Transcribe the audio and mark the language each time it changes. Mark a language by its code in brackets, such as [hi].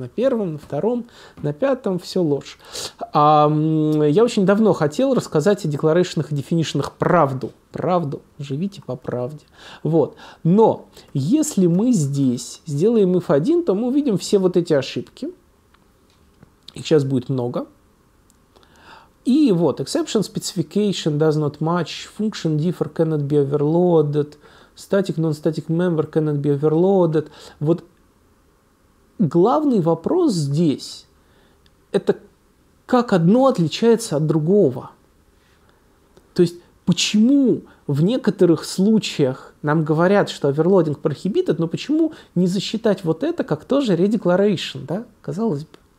[ru] На первом, на втором, на пятом все ложь. Я очень давно хотел рассказать о declaration и definition правду. Правду. Живите по правде. Вот. Но если мы здесь сделаем if1, то мы увидим все вот эти ошибки. Их сейчас будет много. И вот. [en] Exception specification does not match. Function defer cannot be overloaded. Static, non-static member cannot be overloaded. [ru] Вот главный вопрос здесь – это как одно отличается от другого. То есть почему в некоторых случаях нам говорят, что [en] overloading prohibited, [ru] но почему не засчитать вот это как тоже redeclaration, да? Казалось бы.